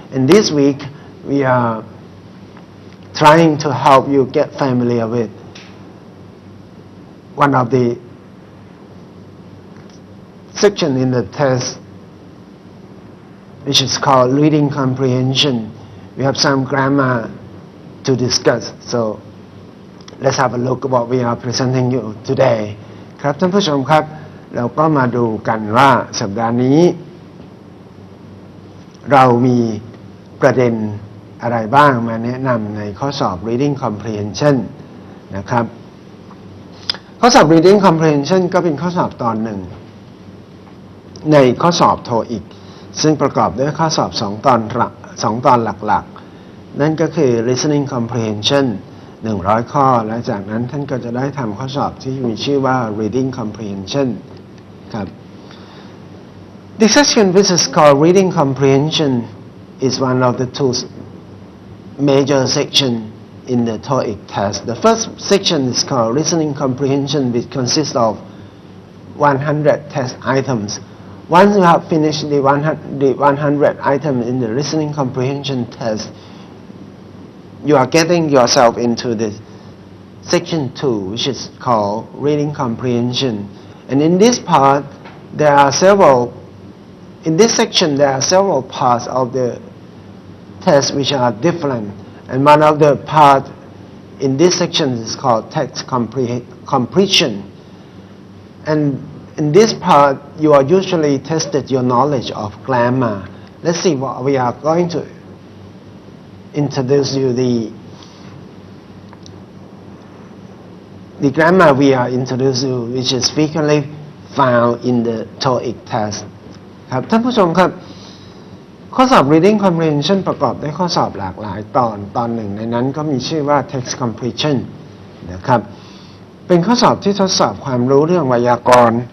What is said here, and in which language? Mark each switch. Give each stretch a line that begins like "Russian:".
English: And this week, we are trying to help you get familiar withOne of the section in the test, which is called reading comprehension, we have some grammar to discuss. So let's have a look at what we are presenting you today.
Thai: ครับท่านผู้ชมครับเราก็มาดูกันว่าสัปดาห์นี้เรามีประเด็นอะไรบ้างมาแนะนำในข้อสอบ reading comprehension นะครับข้อสอบ reading comprehension ก็เป็นข้อสอบตอนหนึ่ง ในข้อสอบโทอีกซึ่งประกอบด้วยข้อสอบ2ตอน หลักๆนั่นก็คือ listening comprehension 100ข้อและจากนั้นท่านก็จะได้ทำข้อสอบที่มีชื่อว่า reading comprehension ครับ
English: The section which is called reading comprehension is one of the two major sectionIn the TOEIC test, the first section is called Listening Comprehension, which consists of 100 test items. Once you have finished the 100 items in the Listening Comprehension test, you are getting yourself into the section 2, which is called Reading Comprehension. And in this part, there are several. In this section, there are several parts of the test which are different. And one of the part in this section is called text completion. And in this part, you are usually tested your knowledge of grammar. Let's see what we are going to introduce you the grammar we are introducing you, which is frequently found in the TOEIC test.
Thai: ครับท่านผู้ชมครับข้อสอบ reading comprehension ประกอบด้วยข้อสอบหลากหลายตอนหนึ่งในนั้นก็มีชื่อว่า text completion นะครับเป็นข้อสอบที่ทดสอบความรู้เรื่องไวยากร